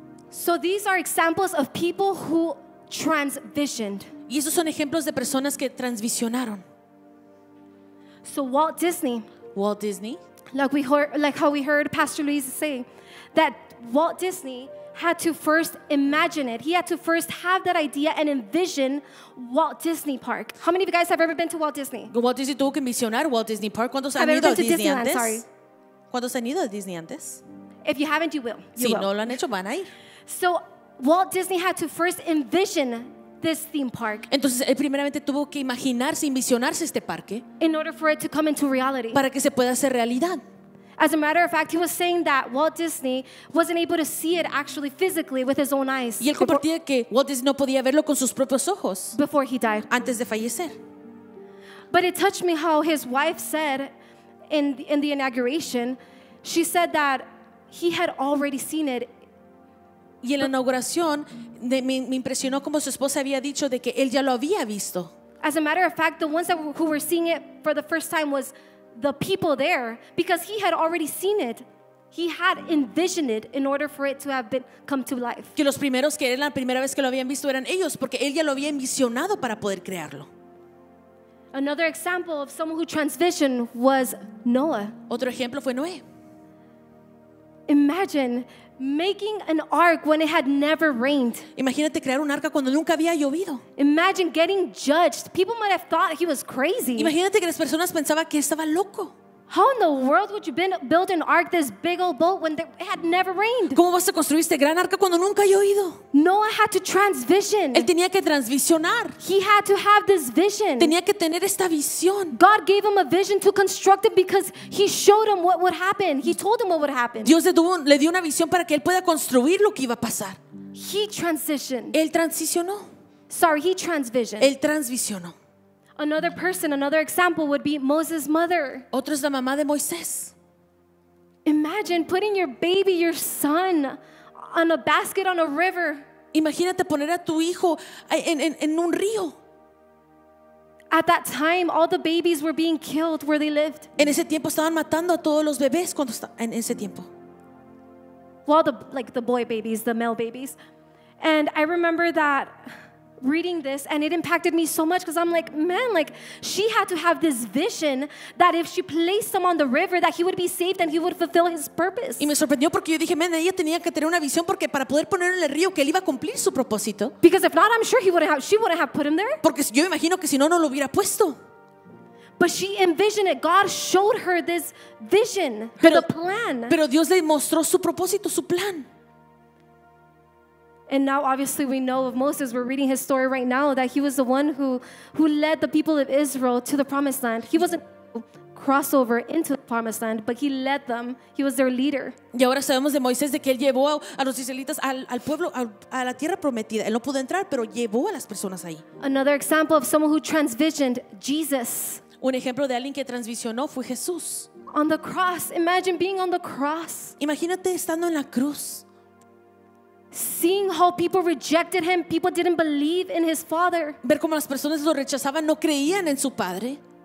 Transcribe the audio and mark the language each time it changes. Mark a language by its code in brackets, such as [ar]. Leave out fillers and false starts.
[en] So these are examples of people who transvisioned. [es] Y esos son ejemplos de personas que transvisionaron. [en] So Walt Disney. [es] Walt Disney. [en] Like how we heard Pastor Luis say that Walt Disney had to first imagine it. He had to first have that idea and envision Walt Disney Park. How many of you guys have ever been to Walt Disney? [es] Walt Disney tuvo que visionar Walt Disney Park. ¿Cuántos han ido a Disney antes? ¿Cuántos han ido a Disney antes? [en] If you haven't, you will. [es] Si no lo han hecho, van a ir. [en] So Walt Disney had to first envision this theme park. [es] Entonces él primeramente tuvo que imaginarse, envisionarse este parque. [en] In order for it to come into reality. [es] Para que se pueda hacer realidad. [en] As a matter of fact, he was saying that Walt Disney wasn't able to see it actually physically with his own eyes. [es] Y él compartía que Walt Disney no podía verlo con sus propios ojos. [en] Before he died. [es] Antes de fallecer. [en] But it touched me how his wife said in the inauguration, she said that he had already seen it. [es] Y en la inauguración me impresionó como su esposa había dicho de que él ya lo había visto. [en] As a matter of fact, the ones who were seeing it for the first time was the people there, because he had already seen it. He had envisioned it in order for it to have been come to life. [es] Que los primeros que eran la primera vez que lo habían visto eran ellos, porque él ya lo había envisionado para poder crearlo. [en] Another example of someone who transvisioned was Noah. [es] Otro ejemplo fue Noé. [en] Imagine making an ark when it had never rained. [es] Imagínate crear un arca cuando nunca había llovido. [en] Imagine getting judged. People might have thought he was crazy. [es] Imagínate que las personas pensaban que estaba loco. [en] How in the world would you build an ark this big old boat when it had never rained? [es] ¿Cómo vas a construir este gran arca cuando nunca ha llovido? [en] Noah had to transvision. [es] Él tenía que transvisionar. [en] He had to have this vision. [es] Tenía que tener esta visión. [en] God gave him a vision to construct it because he showed him what would happen. He told him what would happen. [es] Dios le dio una visión para que él pueda construir lo que iba a pasar. [en] He transitioned. [es] Él transicionó. [en] Sorry, he transvisioned. [es] Él transvisionó. [en] Another person, another example would be Moses' mother. [es] Otra es la mamá de Moisés. [en] Imagine putting your baby, your son, on a basket on a river. [es] Imagínate poner a tu hijo en un río. [en] At that time, all the babies were being killed where they lived. [es] En ese tiempo estaban matando a todos los bebés cuando estaban en ese tiempo. [en] Well, the boy babies, the male babies. And I remember that reading this, and it impacted me so much because I'm like, man, like she had to have this vision that if she placed him on the river, that he would be saved and he would fulfill his purpose. [es] Y me sorprendió porque yo dije, man, ella tenía que tener una visión porque para poder ponerlo en el río, que él iba a cumplir su propósito. [en] Because if not, I'm sure she wouldn't have put him there. [es] Porque yo imagino que si no, no lo hubiera puesto. [en] But she envisioned it. God showed her this vision, the plan. [es] Pero Dios le mostró su propósito, su plan. [en] And now obviously we know of Moses, we're reading his story right now, that he was the one who led the people of Israel to the promised land. He wasn't crossover into the promised land, but he led them. He was their leader. [es] Y ahora sabemos de Moisés de que él llevó a los israelitas al pueblo, a la tierra prometida. Él no pudo entrar, pero llevó a las personas ahí. [en] Another example of someone who transvisioned, Jesus. [es] Un ejemplo de alguien que transvisionó fue Jesús. [en] On the cross, imagine being on the cross. [es] Imagínate estando en la cruz. [en] Seeing how people rejected him, people didn't believe in his father. [es] Ver cómo las personas lo rechazaban, no creían en su padre.